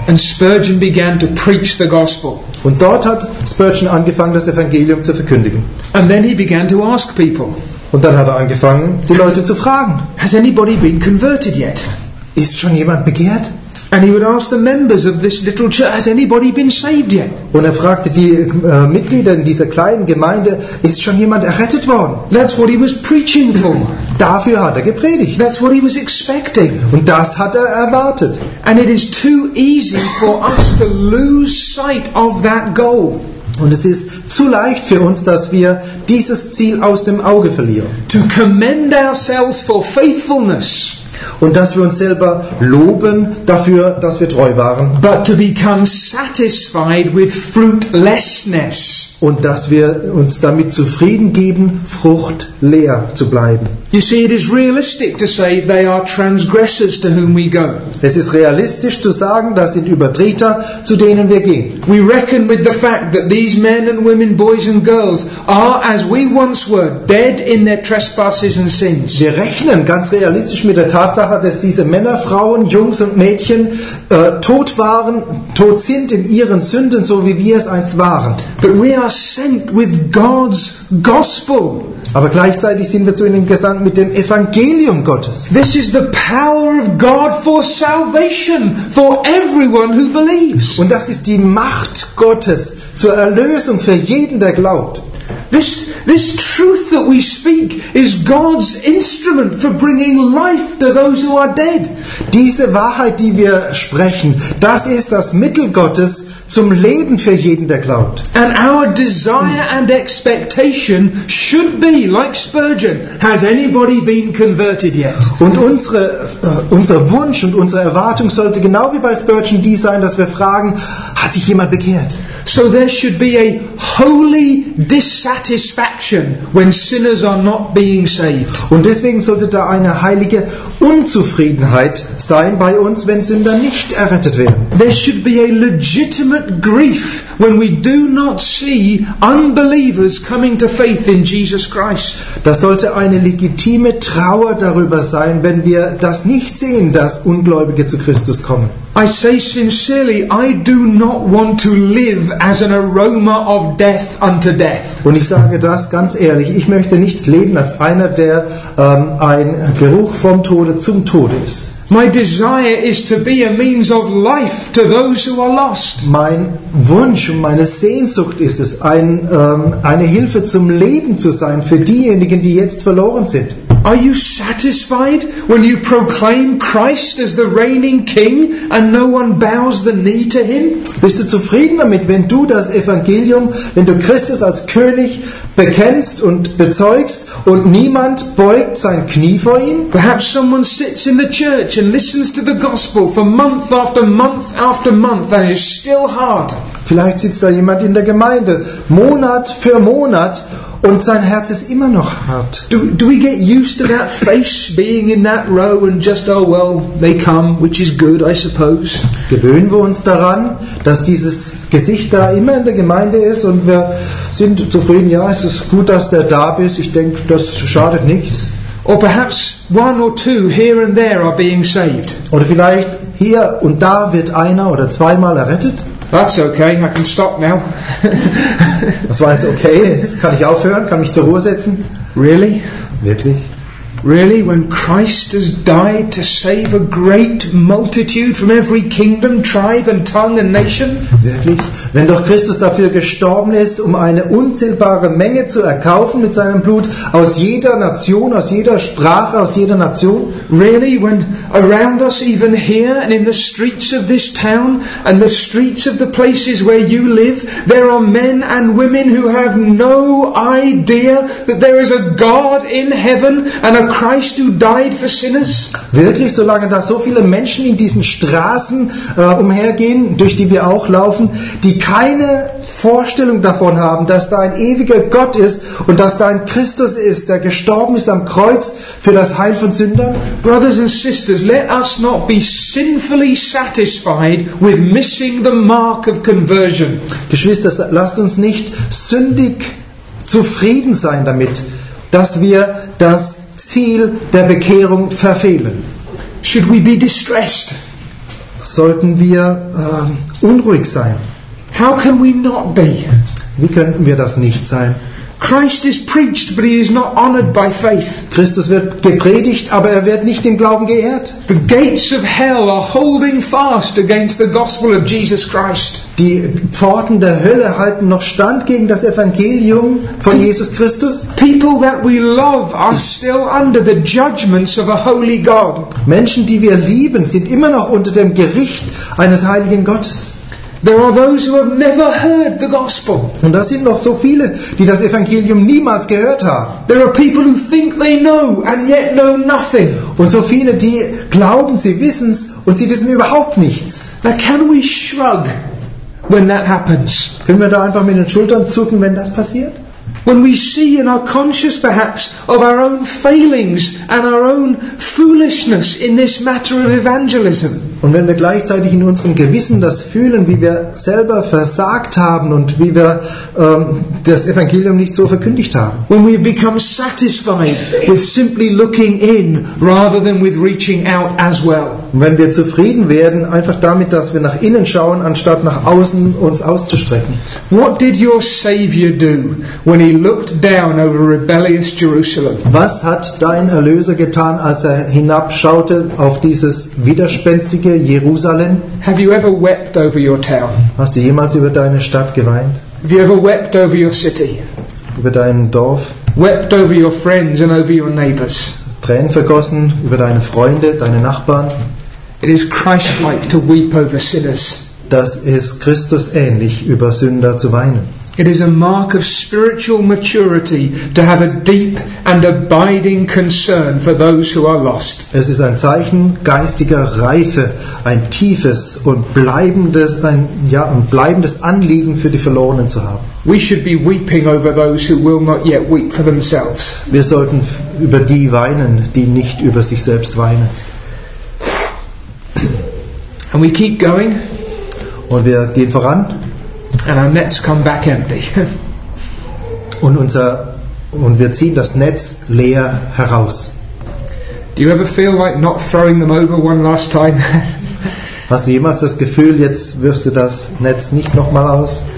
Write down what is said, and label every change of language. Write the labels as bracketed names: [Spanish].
[English] And Spurgeon began to preach the gospel. [German] Und dort hat Spurgeon angefangen, das Evangelium zu verkündigen. [English] And then he began to ask people. [German] Und dann hat er angefangen, die Leute zu fragen. [English] Has anybody been converted yet? [German] Ist schon jemand bekehrt? [English] And he would ask the members of this little church, has anybody been saved yet? [German] Und fragte die Mitglieder in dieser kleinen Gemeinde, ist schon jemand errettet worden? [English] That's what he was preaching for. [German] Dafür hat gepredigt. [English] That's what he was expecting. [German] Und das hat erwartet. [English] And it is too easy for us to lose sight of that goal. [German] Und es ist zu leicht für uns, dass wir dieses Ziel aus dem Auge verlieren. [English] To commend ourselves for faithfulness. [German] Und dass wir uns selber loben dafür, dass wir treu waren. [English] But to become satisfied with fruitlessness. [German] Und dass wir uns damit zufrieden geben, fruchtleer zu bleiben. [English] You see, it is realistic to say they are transgressors to whom we go. [German] Es ist realistisch zu sagen, das sind Übertreter, zu denen wir gehen. [English] We reckon with the fact that these men and women, boys and girls, are as we once were, dead in their trespasses and sins. [German] Wir rechnen ganz realistisch mit der Tatsache, dass diese Männer, Frauen, Jungs und Mädchen tot waren, tot sind in ihren Sünden, so wie wir es einst waren. [English] But we are sent with God's gospel. [German] Aber gleichzeitig sind wir zu ihnen gesandt mit dem Evangelium Gottes. [English] This is the power of God for salvation for everyone who believes. [German] Und das ist die Macht Gottes zur Erlösung für jeden, der glaubt. [English] This truth that we speak is God's instrument for bringing life to those who are dead. [German] Diese Wahrheit, die wir sprechen, das ist das Mittel Gottes zum Leben für jeden, der glaubt. [English] And our desire and expectation should be, like Spurgeon, has anybody been converted yet? [German] Und unser Wunsch und unsere Erwartung sollte genau wie bei Spurgeon die sein, dass wir fragen, hat sich jemand bekehrt? [English] So there should be a holy dissatisfaction when sinners are not being saved. [German] Und deswegen sollte da eine heilige Unzufriedenheit sein bei uns, wenn Sünder nicht errettet werden. [English] There should be a legitimate grief when we do not see unbelievers coming to faith in Jesus Christ. [German] Das sollte eine legitime Trauer darüber sein, wenn wir das nicht sehen, dass Ungläubige zu Christus kommen. [English] I say sincerely, I do not want to live as an aroma of death unto death. [German] Und ich sage das ganz ehrlich, ich möchte nicht leben als einer, der ein Geruch vom Tode zum Tod ist. [English] My desire is to be a means of life to those who are lost. [German] Mein Wunsch und meine Sehnsucht ist es, eine Hilfe zum Leben zu sein für diejenigen, die jetzt verloren sind. [English] Are you satisfied when you proclaim Christ as the reigning King and no one bows the knee to him? [German] Bist du zufrieden damit, wenn du das Evangelium, wenn du Christus als König bekennst und bezeugst und niemand beugt sein Knie vor ihm? [English] Perhaps someone sits in the church and listens to the gospel for month after month after month and is still hard. [German] Vielleicht sitzt da jemand in der Gemeinde Monat für Monat. Und sein Herz ist immer noch hart. [English] Do we get used to that face being in that row and just, oh well, they come, which is good, I suppose. [German] Gewöhnen wir uns daran, dass dieses Gesicht da immer in der Gemeinde ist und wir sind zufrieden, ja, es ist gut, dass der da ist, ich denke, das schadet nichts. [English] Or perhaps one or two here and there are being saved. [German] Oder vielleicht hier und da wird einer oder zweimal errettet. [English] That's okay, I can stop now. [German] Das war jetzt okay, jetzt kann ich aufhören, kann mich zur Ruhe setzen. [English] Really? [German] Wirklich? [English] Really, when Christ has died to save a great multitude from every kingdom, tribe and tongue and nation? [German] Wirklich? Wenn doch Christus dafür gestorben ist, um eine unzählbare Menge zu erkaufen mit seinem Blut aus jeder Nation, aus jeder Sprache, aus jeder Nation? [English] Really, when around us, even here and in the streets of this town and the streets of the places where you live, there are men and women who have no idea that there is a God in heaven and a Christ who died for sinners? [German] Wirklich, solange da so viele Menschen in diesen Straßen umhergehen, durch die wir auch laufen, die keine Vorstellung davon haben, dass da ein ewiger Gott ist und dass da ein Christus ist, der gestorben ist am Kreuz für das Heil von Sündern? [English] Brothers and sisters, let us not be sinfully satisfied with missing the mark of conversion. [German] Geschwister, lasst uns nicht sündig zufrieden sein damit, dass wir das Ziel der Bekehrung verfehlen. [English] Should we be distressed? [German] Sollten wir unruhig sein? [English] How can we not be? [German] Wie könnten wir das nicht sein? [English] Christ is preached, but he is not honored by faith. [German] Christus wird gepredigt, aber er wird nicht im Glauben geehrt. [English] The gates of hell are holding fast against the gospel of Jesus Christ. [German] Die Pforten der Hölle halten noch stand gegen das Evangelium von Jesus Christus. [English] People that we love are still under the judgments of a holy God. [German] Menschen, die wir lieben, sind immer noch unter dem Gericht eines heiligen Gottes. [English] There are those who have never heard the gospel. [German] Und da sind noch so viele, die das Evangelium niemals gehört haben. [English] There are people who think they know and yet know nothing. [German] Und so viele, die glauben, sie wissen's und sie wissen überhaupt nichts. [English] Now can we shrug when that happens? [German] Können wir da einfach mit den Schultern zucken, wenn das passiert? [English] When we see and are conscious perhaps of our own failings and our own foolishness in this matter of evangelism. [German] Und wenn wir gleichzeitig in unserem Gewissen das fühlen, wie wir selber versagt haben und wie wir das Evangelium nicht so verkündigt haben. [English] When we become satisfied with simply looking in rather than with reaching out as well. [German] Und wenn wir zufrieden werden, einfach damit, dass wir nach innen schauen, anstatt nach außen uns auszustrecken. [English] What did your Savior do when he looked down over rebellious Jerusalem? [German] Was hat dein Erlöser getan, als er hinabschaute auf dieses widerspenstige Jerusalem? [English] Have you ever wept over your town? [German] Hast du jemals über deine Stadt geweint? [English] Have you ever wept over your city? [German] Über dein Dorf? [English] Wept over your friends and over your neighbors? [German] Tränen vergossen über deine Freunde, deine Nachbarn? [English] It is Christ-like to weep over sinners. [German] Das ist Christus-ähnlich, über Sünder zu weinen. [English] It is a mark of spiritual maturity to have a deep and abiding concern for those who are lost. [German] Es ist ein Zeichen geistiger Reife, ein tiefes und bleibendes ein bleibendes Anliegen für die Verlorenen zu haben. [English] We should be weeping over those who will not yet weep for themselves. [German] Wir sollten über die weinen, die nicht über sich selbst weinen. [English] And we keep going. [German] Und wir gehen voran. [English] And our nets come back empty. [German] Und wir ziehen das Netz leer heraus. [English] Do you ever feel like not throwing them over one last time? [German] Hast du jemals das Gefühl, jetzt wirfst du das Netz nicht nochmal aus?